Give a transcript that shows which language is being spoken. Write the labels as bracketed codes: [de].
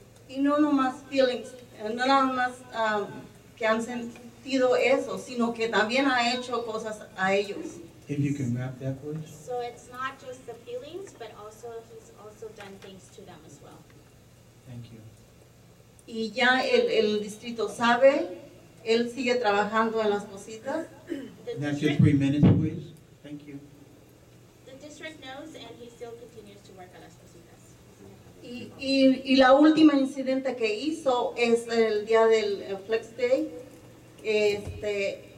[es] Y no nomás feelings, no nada más que han sentido eso, sino que también ha hecho cosas a ellos. [en] If you can wrap that, please. So it's not just the feelings, but also he's also done things to them as well. Thank you. [es] Y ya el distrito sabe, él sigue trabajando en Las Positas. [en] That's just 3 minutes, please. Thank you. The district knows, and he still continues to work at Las Positas. [es] Y la última incidente que hizo es el día del Flex Day.